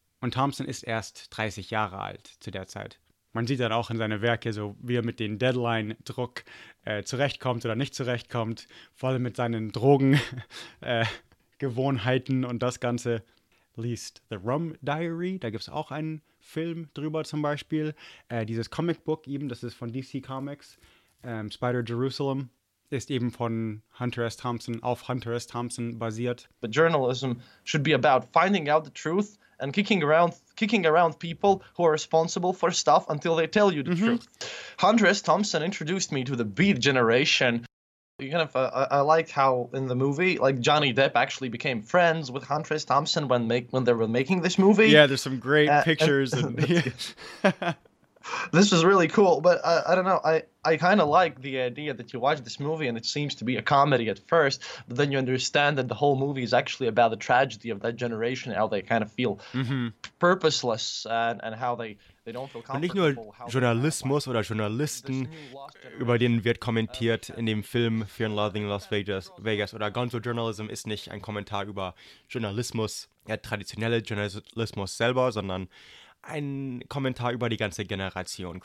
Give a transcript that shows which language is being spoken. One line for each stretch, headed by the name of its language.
German: Und Thompson ist erst 30 Jahre alt zu der Zeit. Man sieht dann auch in seine Werke, so wie er mit dem Deadline-Druck zurechtkommt oder nicht zurechtkommt, vor allem mit seinen Drogengewohnheiten und das Ganze. Liest The Rum Diary, da gibt es auch einen Film drüber zum Beispiel. Dieses Comicbook eben, das ist von DC Comics, Spider Jerusalem, ist eben von Hunter S. Thompson, auf Hunter S. Thompson basiert.
English: But journalism should be about finding out the truth and kicking around people who are responsible for stuff until they tell you the truth. Hunter S. Thompson introduced me to the Beat Generation. Kind of, I like how in the movie, like Johnny Depp actually became friends with Hunter S. Thompson when they were making this movie. Yeah, there's some great pictures. This was really cool, but I don't know. I kind of like the idea that you watch this movie and it seems to be a comedy at first, but then you understand that the whole movie is actually about the tragedy of that generation, how they kind of feel purposeless and how they don't feel comfortable.
German: Und nicht nur Journalismus oder Journalisten, über den wird kommentiert in dem Film Fear and Loathing in Las Vegas, oder Gonzo Journalism ist nicht ein Kommentar über Journalismus, ja, traditionelle Journalismus selber, sondern ein Kommentar über die ganze Generation.